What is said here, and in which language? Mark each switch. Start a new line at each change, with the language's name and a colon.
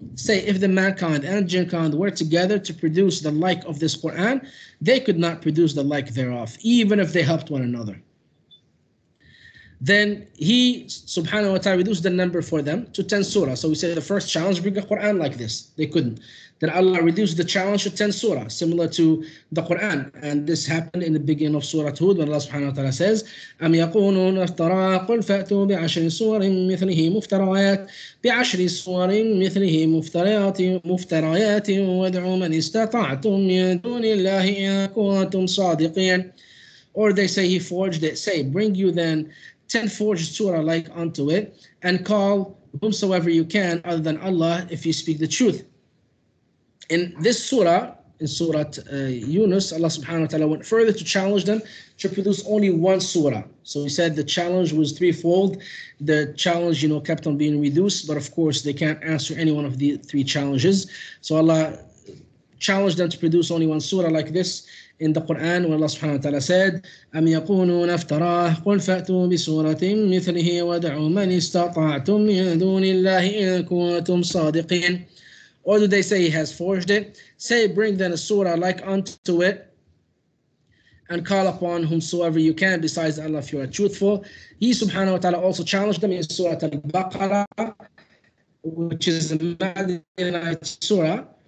English: Say, if the mankind and jinnkind were together to produce the like of this Quran, they could not produce the like thereof, even if they helped one another. then he, subhanahu wa ta'ala, reduced the number for them to 10 surahs. So we say the first challenge, bring a Quran like this. They couldn't. Then Allah reduced the challenge to 10 surahs, similar to the Quran. And this happened in the beginning of Surah Hud, when Allah subhanahu wa ta'ala says,
Arabic: أَمْ يَقُونُونَ افْتَرَى قُلْ فَأْتُوا بِعَشْرِ سُورٍ مِثْلِهِ مُفْتَرَيَاتٍ بِعَشْرِ سُورٍ مِثْلِهِ مُفْتَرَيَاتٍ وَادْعُوا مَنْ اسْتَطَعْتُمْ مِنْ دُونِ اللَّهِ إِنْ كُنْتُمْ صَادِقِينَ.
English: Or they say, he forged it. Say, bring you then 10 forged surah like unto it, and call whomsoever you can other than Allah if you speak the truth. In this surah, in Surah Yunus, Allah subhanahu wa ta'ala went further to challenge them to produce only one surah. So he said the challenge was threefold. The challenge, you know, kept on being reduced, but of course they can't answer any one of the three challenges. So Allah challenged them to produce only one surah like this. In the Quran, when Allah subhanahu wa ta'ala said,
Arabic: أَمْ يَقُونُونَ افْتَرَاهُ قُلْ فَأْتُوا بِسُورَةٍ مِثْلِهِ وَدَعُوا مَنْ اسْتَطَعْتُمْ مِنْ دُونِ اللَّهِ إِن كُنْتُمْ صَادِقِينَ.
English: Or do they say he has forged it? Say, bring then a surah like unto it, and call upon whomsoever you can besides Allah if you are truthful. He subhanahu wa ta'ala also challenged them in Surah Al-Baqarah, which is a Madinah surah.